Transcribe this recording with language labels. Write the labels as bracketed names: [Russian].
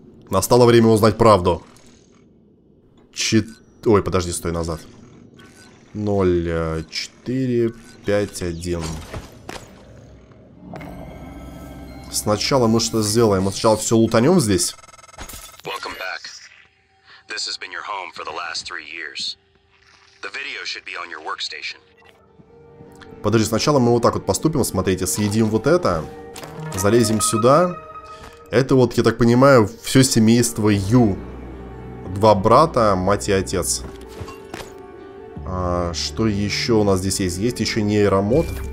[Russian] Настало время узнать правду. Ой, подожди, стой, назад. 0451. Сначала мы что сделаем? Мы сначала все лутанем здесь. [English] Welcome back. This has been your home for the last 3 years. The video should be on your workstation. [Russian] Подожди, сначала мы вот так вот поступим, смотрите, съедим вот это, залезем сюда. Это вот, я так понимаю, все семейство Ю. Два брата, мать и отец. Что еще у нас здесь есть? Есть еще нейромод.